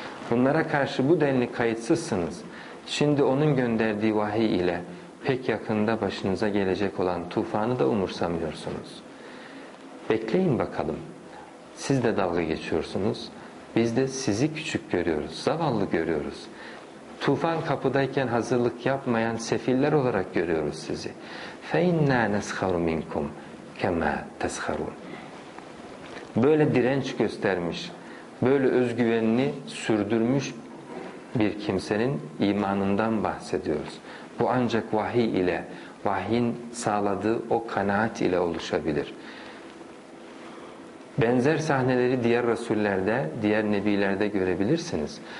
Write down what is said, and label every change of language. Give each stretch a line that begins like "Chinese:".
Turkish: Bunlara karşı bu denli kayıtsızsınız. Şimdi onun gönderdiği vahiy ile pek yakında başınıza gelecek olan tufanı da umursamıyorsunuz. Bekleyin bakalım. Siz de dalga geçiyorsunuz. Biz de sizi küçük görüyoruz, zavallı görüyoruz. Tufan kapıdayken hazırlık yapmayan sefiller olarak görüyoruz sizi.
Arabic: فَاِنَّا نَسْخَرُ مِنْكُمْ كَمَا تَسْخَرُونَ
Turkish: böyle direnç göstermiş, böyle özgüvenini sürdürmüş bir kimsenin imanından bahsediyoruz. Bu ancak vahiy ile, vahyin sağladığı o kanaat ile oluşabilir. Benzer sahneleri diğer rasullerde, diğer nebilerde görebilirsiniz.